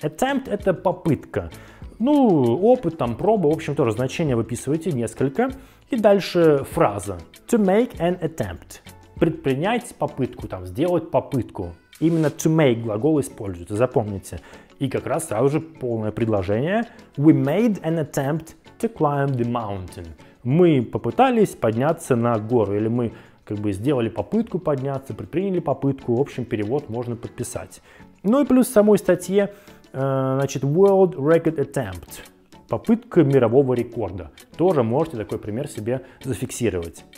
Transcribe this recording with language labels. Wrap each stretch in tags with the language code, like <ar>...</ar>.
<ru>Attempt – это попытка. Ну, опыт, там, проба, в общем, тоже значение выписывайте несколько. И дальше фраза.</ru> <en>To make an attempt.</en> <ru>Предпринять попытку, там, сделать попытку. Именно to make глагол используется, запомните. И как раз сразу же полное предложение.</ru> <en>We made an attempt to climb the mountain.</en> <ru>Мы попытались подняться на гору. Или мы как бы сделали попытку подняться, предприняли попытку. В общем, перевод можно подписать. Ну и плюс в самой статье, значит, World Record Attempt. Попытка мирового рекорда. Тоже можете такой пример себе зафиксировать.</ru>